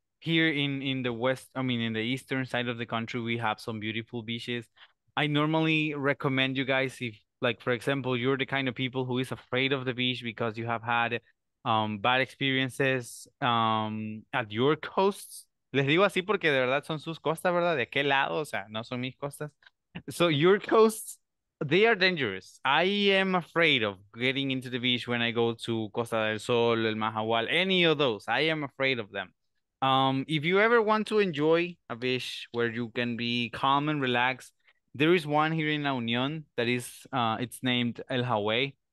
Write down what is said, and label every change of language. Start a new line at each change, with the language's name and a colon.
English: Here in the eastern side of the country, we have some beautiful beaches. I normally recommend you guys, if, like, for example, you're the kind of people who is afraid of the beach because you have had bad experiences at your coasts.
Spanish: Les digo así porque de verdad son sus costas, ¿verdad? ¿De qué lado? O sea, no son mis costas.
English: So your coasts, they are dangerous. I am afraid of getting into the beach when I go to Costa del Sol, El Mahahual, any of those. I am afraid of them. If you ever want to enjoy a beach where you can be calm and relaxed, there is one here in La Unión that is, it's named El Hawaii.